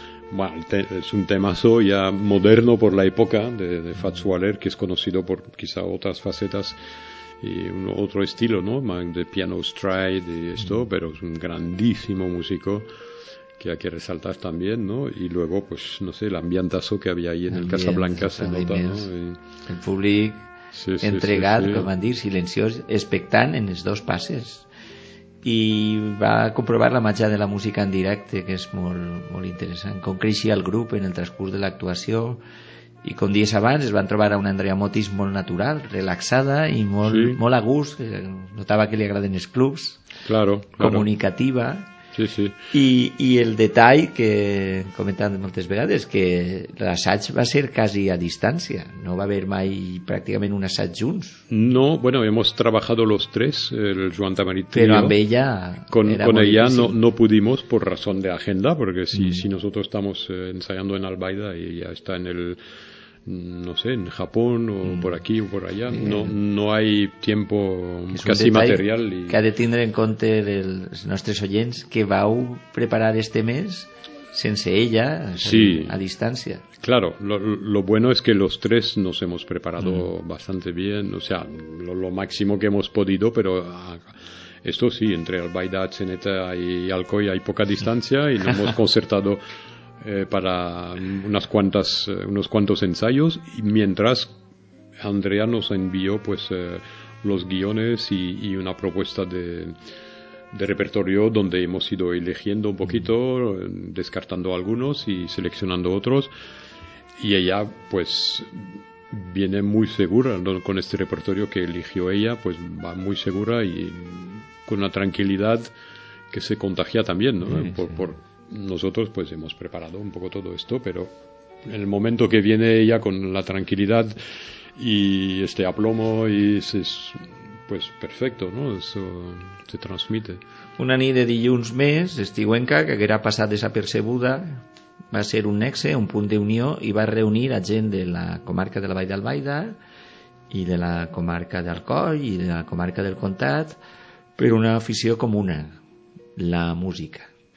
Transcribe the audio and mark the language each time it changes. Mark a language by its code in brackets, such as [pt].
[es] Bueno, es un temazo ya moderno por la época de Fats Waller, que es conocido por quizá otras facetas y otro estilo, ¿no? De piano stride y esto, pero es un grandísimo músico que hay que resaltar también, ¿no? Y luego, pues, no sé, el ambientazo que había ahí en el Casablanca se nota, ¿no? [ca] El públic entregat, com han dit, silenciós, expectant en els dos passes. I va comprovar la màgia de la música en directe, que és molt, molt interessant, com creixia el grup en el transcurs de l'actuació. I com dies abans, es van trobar a una Andrea Motis molt natural, relaxada i molt, sí, molt a gust. Notava que li agraden els clubs, [es] claro, [ca] comunicativa. Sí, sí. I el detall que he comentat moltes vegades, que l'assaig va ser quasi a distància. No va haver mai pràcticament un assaig junts. [es] No, bueno, hemos trabajado los tres, el Joan Tamarit. [ca] Però amb ella... [es] Con ella no pudimos por razón de agenda, porque si nosotros estamos ensayando en Albaida y ella está en el... no sé, en Japón o por aquí o por allá, no hay tiempo casi material. [ca] I... que ha de tindre en compte els nostres oients que vau preparar este mes sense ella, sí, a distància. [es] Claro, lo bueno es que los tres nos hemos preparado bastante bien, o sea, lo máximo que hemos podido, pero esto sí, entre Albaida, Atzeneta y Alcoy hay poca distancia y no hemos concertado para unos cuantos ensayos, y mientras Andrea nos envió pues los guiones y una propuesta de repertorio donde hemos ido eligiendo un poquito, descartando algunos y seleccionando otros, y ella pues viene muy segura, ¿no? Con este repertorio que eligió ella, pues va muy segura y con una tranquilidad que se contagia también, ¿no? Sí, por nosotros pues hemos preparado un poco todo esto, pero el momento que viene ella con la tranquilidad y este aplomo y es pues perfecto, ¿no? Eso se transmite. [ca] Una nit de dilluns més, estiuenca, que haguera passat desapercebuda, va ser un nexe, un punt d'unió, i va reunir a gent de la comarca de la Vall d'Albaida i de la comarca d'Alcoi i de la comarca del Comtat per una afició comuna, la música.